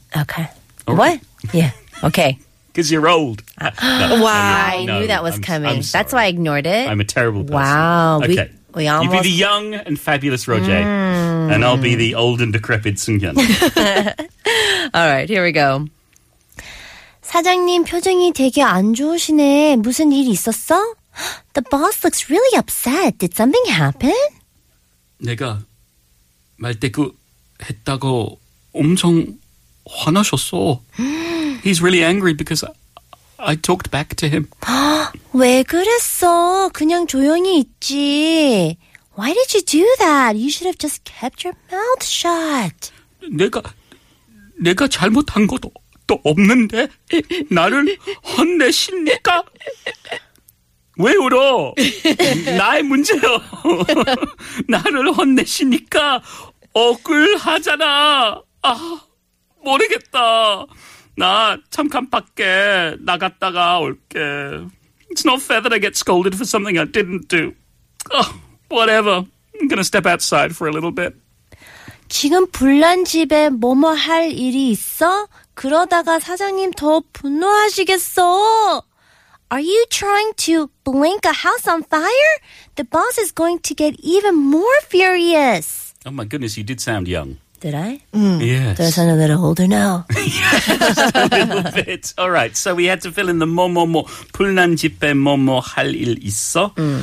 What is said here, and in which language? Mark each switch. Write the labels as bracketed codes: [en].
[en] Okay. Right. What? Yeah, okay. Because you're old. No, why? I knew that was coming. I'm sorry. That's why I ignored it. I'm a terrible person. Wow. Okay. We almost... You be the young and fabulous Roje, and I'll be the old and decrepit Seunghyun. All right, here we go. [ko] 사장님, 표정이 되게 안 좋으시네. 무슨 일 있었어? [en] The boss looks really upset. Did something happen? [ko] 내가 말대꾸 했다고 엄청 화나셨어. [en] He's really angry because I talked back to him. [ko] 왜 그랬어? 그냥 조용히 있지. [en] Why did you do that? You should have just kept your mouth shut. [ko] 내가 잘못한 것도 또 없는데 나를 혼내시니까 왜 울어? 나의 문제요. 나를 혼내시니까 억울하잖아. 아, 모르겠다. 나 잠깐 밖에 나갔다가 올게. [en] It's not fair that I get scolded for something I didn't do. Oh, whatever. I'm gonna step outside for a little bit. [ko] 지금 불난 집에 뭐뭐 할 일이 있어? 그러다가 사장님 더 분노하시겠어? [en] Are you trying to blink a house on fire? The boss is going to get even more furious. Oh my goodness, you did sound young. Did I? Yes. Do I sound a little older now? Yes, a little bit. All right, so we had to fill in the [ko] 뭐뭐뭐, 불난 집에 뭐뭐 할 일 있어.